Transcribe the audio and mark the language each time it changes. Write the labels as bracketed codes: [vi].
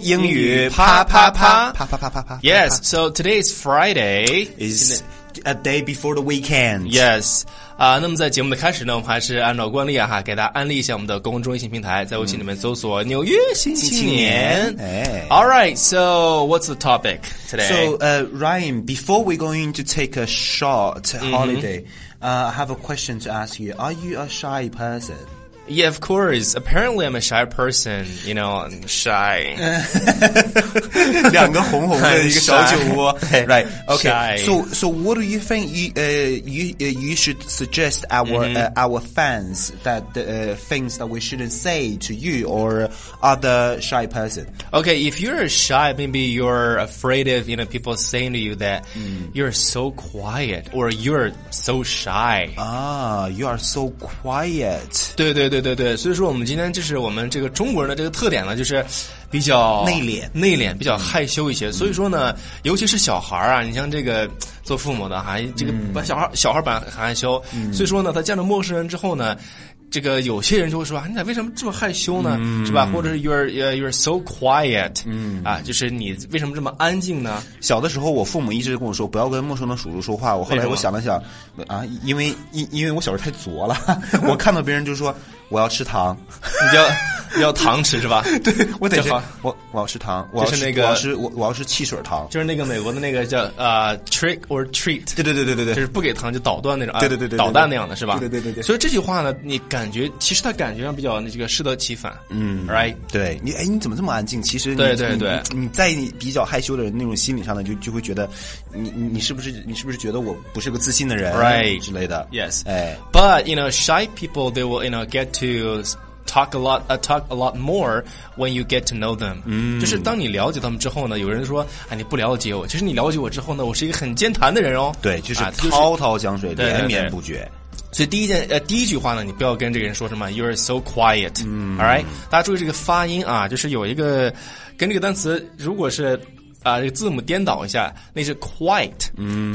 [zh] 英语啪啪啪啪啪啪啪啪。 [en] Yes, so today is Friday. Is a day before the weekend. Yes. [zh] 那么在节目的开始呢，我们还是按照惯例啊哈，给大家安利一下我们的公共中微信平台，在微信里面搜索“纽约新青年”。哎 [en] ，All right. So what's the topic today? So, Ryan, before we're going to take a short holiday. I have a question to ask you. Are you a shy person? Yeah, of course. Apparently, I'm a shy person. You know, I'm shy. [zh] 两个红红的一个小酒窝 [en] Right. Okay.、 Shy. So what do you think you should suggest our fans that things that we shouldn't say to you or other shy person? Okay, if you're shy, maybe you're afraid of, you know, people saying to you that you're so quiet or you're so shy. Ah, you are so quiet. [zh] 对，所以说我们今天就是我们这个中国人的这个特点呢，就是比较内敛，比较害羞一些。所以说呢，尤其是小孩啊，你像这个做父母的哈，这个把小孩本来很害羞，所以说呢，他见了陌生人之后呢，这个有些人就会说啊，你咋为什么这么害羞呢？是吧？或者是 [en] you're so quiet， [zh] 就是你为什么这么安静呢？小的时候，我父母一直跟我说不要跟陌生的叔叔说话。我后来我想了想，因为我小时候太拙了，我看到别人就说我要吃糖，你要糖吃是吧？对，我得我要吃糖，我要吃、就是那个我要吃汽水糖，就是那个美国的那个叫 [en] trick or treat， [zh] 对，就是不给糖就捣断那种，对，捣蛋那样的是吧？对，所以这句话呢，你感觉其实他感觉上比较那这个适得其反， [en] right？ [zh] 对你，哎，你怎么这么安静？其实你对，你在你比较害羞的人那种心理上呢，就会觉得你是不是觉得我不是个自信的人 [en] ，right [zh] 之类的 [en] ？Yes，哎，but you know shy people they will you know get to。 talk a lot more when you get to know them. [zh] 就是当你了解他们之后呢，有人说啊，你不了解我。其实你了解我之后呢，我是一个很健谈的人哦。对，就是滔滔江水，连绵不绝。所以第一句话呢，你不要跟这个人说什么 [en] "You're so quiet." All right， [zh] 大家注意这个发音啊，就是有一个跟这个单词，如果是这个字母颠倒一下，那是 quiet。